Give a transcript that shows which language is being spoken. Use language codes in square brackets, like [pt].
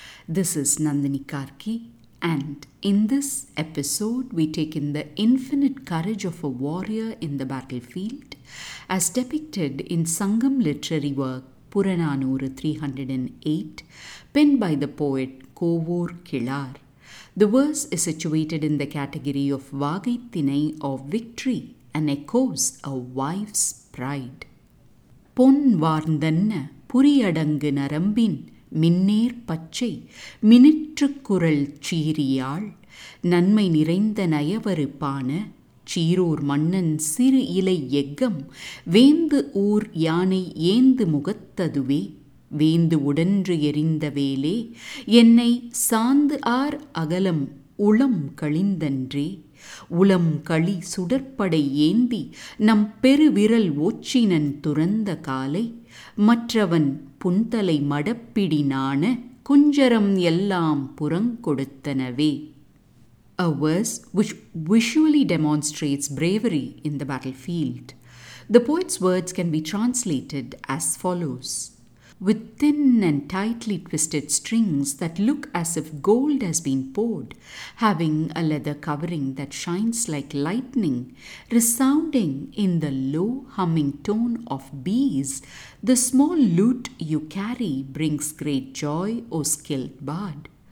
[en] This is Nandini Karki, and in this episode we take in the infinite courage of a warrior in the battlefield as depicted in Sangam literary work Puranaanooru 308, penned by the poet Kovoor Kizhaar. The verse is situated in the category of Vaagai Thinai of victory and echoes a wife's pride. [ta] பொன் வார்ந்தன்ன புரியடங்கு நரம்பின் மின்னேர் பச்சை மினிற்றுக்குரல் சீரியாள் நன்மை நிறைந்த நயவறுப்பான சீரூர் மன்னன் சிறு இலை எக்கம் வேந்து ஊர் யானை ஏந்து முகத்ததுவே வேந்து உடன்று எரிந்த வேலே என்னை சாந்து ஆர் அகலம் உளம் கழிந்தன்றே உளம் களி சுடற்படை ஏந்தி நம் பெருவிரல் ஒச்சினன் துறந்த காலை மற்றவன் புன்தலை மடப்பிடினான குஞ்சரம் எல்லாம் புறங்கொடுத்தனவே. [en] A verse which visually demonstrates bravery in the battlefield. The poet's words can be translated as follows. With thin and tightly twisted strings that look as if gold has been poured, having a leather covering that shines like lightning, resounding in the low humming tone of bees, the small lute you carry brings great joy, O skilled bard.